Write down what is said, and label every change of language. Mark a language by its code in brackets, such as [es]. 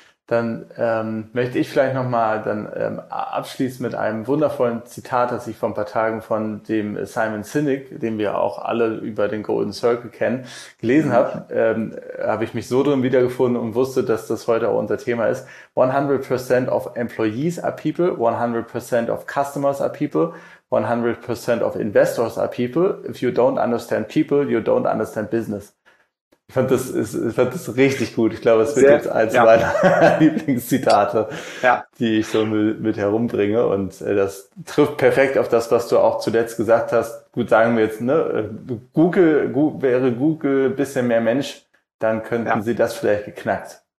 [de] Dann möchte ich vielleicht nochmal dann abschließen mit einem wundervollen Zitat, das ich vor ein paar Tagen von dem Simon Sinek, den wir auch alle über den Golden Circle kennen, gelesen habe. Habe ich mich so drin wiedergefunden und wusste, dass das heute auch unser Thema ist. [en] 100% of employees are people, 100% of customers are people, 100% of investors are people. If you don't understand people, you don't understand business. [de] Ich fand das richtig gut. Ich glaube, es wird jetzt eins meiner Lieblingszitate, die ich so mit herumbringe. Und das trifft perfekt auf das, was du auch zuletzt gesagt hast. Gut, sagen wir jetzt, ne, wäre Google ein bisschen mehr Mensch, dann könnten sie das vielleicht geknackt.